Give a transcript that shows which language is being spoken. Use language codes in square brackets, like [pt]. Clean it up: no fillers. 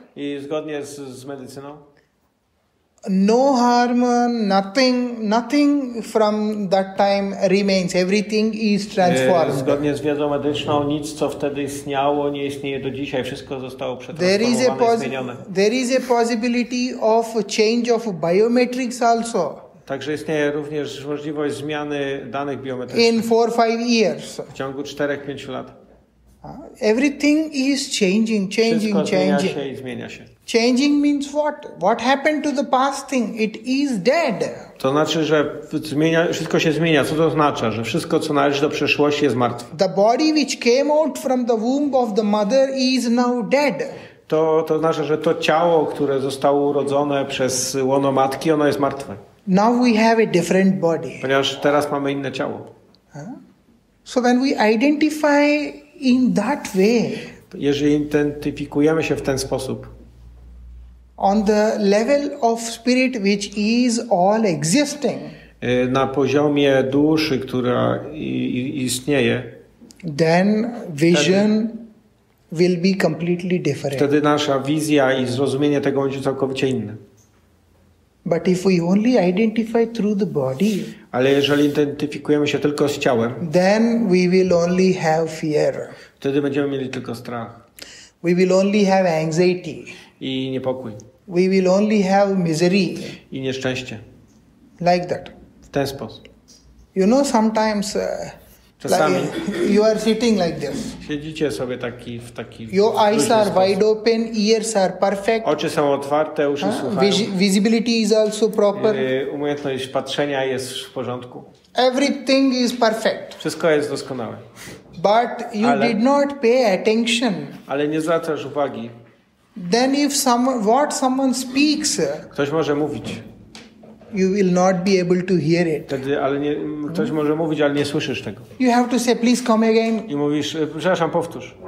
[pl] I zgodnie z medycyną. [en] No harm, nothing from that time remains. Everything is transformed. [pl] Zgodnie z wiedzą medyczną, nic co wtedy istniało, nie istnieje do dzisiaj. Wszystko zostało przetransformowane, zmienione. [en] There is a possibility of change of biometrics also. [pl] Także istnieje również możliwość zmiany danych biometrycznych. [en] In 4-5 years. [pl] W ciągu 4-5 lat. [en] Everything is changing. [pl] Wszystko zmienia się i zmienia się. [en] Changing means what? What happened to the past thing? It is dead. [pl] To znaczy, że wszystko się zmienia. Co to oznacza? Że wszystko, co należy do przeszłości, jest martwe. [en] The body which came out from the womb of the mother is now dead. [pl] To oznacza, że to ciało, które zostało urodzone przez łono matki, ono jest martwe. [en] Now we have a different body. [pl] Ponieważ teraz mamy inne ciało. [en] So when we identify in that way. [pl] Jeżeli identyfikujemy się w ten sposób. [en] On the level of spirit which is all existing. [pl] Na poziomie duszy, która istnieje. [en] Then vision [pl] wtedy, [en] will be completely different. [pl] Wtedy nasza wizja i zrozumienie tego będzie całkowicie inne. [en] But if we only identify through the body. [pl] Ale jeżeli identyfikujemy się tylko z ciałem. [en] Then we will only have fear. [pl] Wtedy będziemy mieli tylko strach. [en] We will only have anxiety. [pl] I niepokój. [en] We will only have misery. [pl] I nieszczęście. [en] Like that. [pl] W ten sposób. [en] You know, sometimes. [pl] Czasami. [en] Like, you are sitting like this. [pl] Siedzicie sobie taki w taki. [en] Your eyes are wide open, ears are perfect. [pl] Oczy są otwarte, uszy słuchają. [en] Visibility is also proper. [pl] Umiejętność patrzenia jest w porządku. [en] Everything is perfect. [pl] Wszystko jest doskonałe. [en] But you did not pay attention. [pl] Ale nie zwracasz uwagi. [en] Then if what someone speaks. [pl] Ktoś może mówić. [en] You will not be able to hear it. [pl] Wtedy, ale nie, ktoś może mówić, ale nie słyszysz tego. [en] You have to say, please come again. [pl] I mówisz, przepraszam, powtórz.